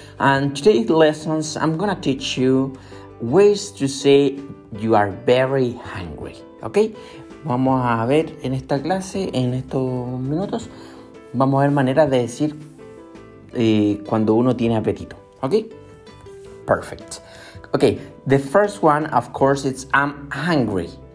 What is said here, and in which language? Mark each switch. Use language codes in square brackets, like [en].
[en] And today's lessons, I'm gonna teach you ways to say you are very hungry. Okay? [es] Vamos a ver en esta clase, en estos minutos, vamos a ver maneras de decir cuando uno tiene apetito. [en] Okay? Perfect. Okay, the first one, of course, it's I'm hungry.